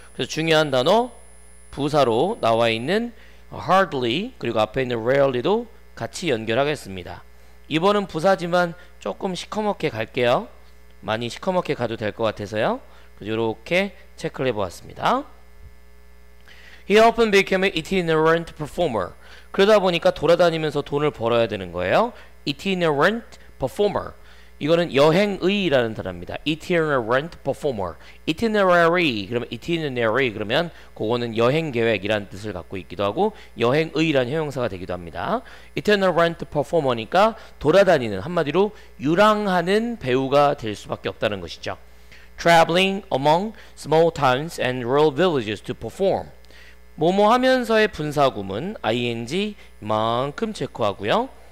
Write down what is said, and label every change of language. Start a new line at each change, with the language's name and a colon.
Korean: 그래서 중요한 단어 부사로 나와 있는 hardly 그리고 앞에 있는 rarely도 같이 연결하겠습니다. 이번은 부사지만 조금 시커멓게 갈게요. 많이 시커멓게 가도 될것 같아서요. 이렇게 체크를 해보았습니다.
English: He often became an itinerant performer.
Korean: 그러다 보니까 돌아다니면서 돈을 벌어야 되는 거예요.
English: Itinerant performer.
Korean: 이거는 여행의라는 단어입니다.
English: Itinerant performer. Itinerary.
Korean: 그러면 itinerary. 그러면 그거는 여행 계획이라는 뜻을 갖고 있기도 하고 여행의라는 형용사가 되기도 합니다.
English: Itinerant performer
Korean: 니까 돌아다니는 한마디로 유랑하는 배우가 될 수밖에 없다는 것이죠.
English: Traveling among small towns and rural villages to perform.
Korean: 뭐뭐 하면서의 분사구문 ing 이만큼 체크하고요.